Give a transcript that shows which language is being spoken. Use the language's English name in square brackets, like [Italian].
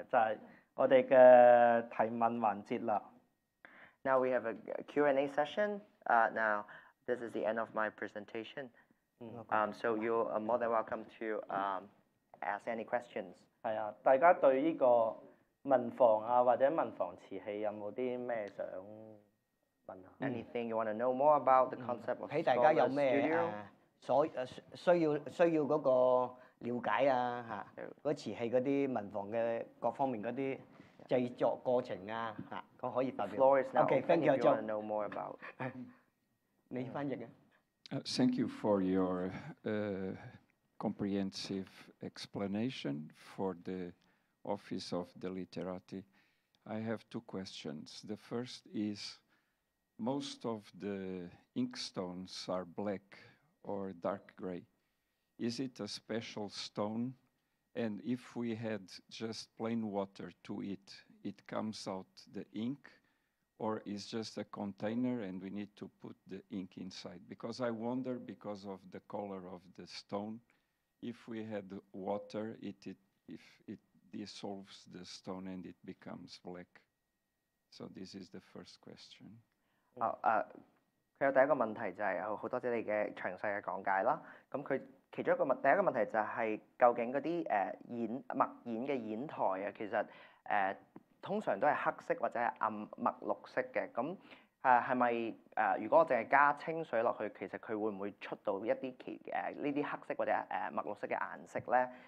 [Cantonese] 就係我哋嘅提問環節啦。 [English] Now we have a Q&A session. Now this is the end of my presentation. So you're more than welcome to ask any questions. [Cantonese] 係啊，大家對呢個文房啊或者文房瓷器有冇啲咩想問啊 [English] ？Anything you want to know more about the concept of scholar [Cantonese] 睇大家有咩所需要嗰個瞭解啊嚇，嗰瓷器嗰啲文房嘅各方面嗰啲製作過程啊嚇，我可以發表。 [English] Floor is now open. Thank you. You want to know more about？ [Cantonese] 你翻譯啊？ [English] Thank you for your comprehensive explanation for the Office of the Literati. I have two questions. The first is, most of the inkstones are black or dark gray. Is it a special stone? And if we had just plain water to it, it comes out the ink? Or is just a container and we need to put the ink inside? Because I wonder, because of the color of the stone, if we had water, if it dissolves the stone and it becomes black. So this is the first question. [Cantonese] 佢有第一個問題就係好多謝你嘅詳細嘅講解啦。咁佢其中一個第一個問題就係究竟嗰啲墨砚嘅砚台啊，其實通常都是黑色或者暗墨綠色的，如果我只是加清水下去，其實它會不會出到一些這些黑色或者墨綠色的顏色呢？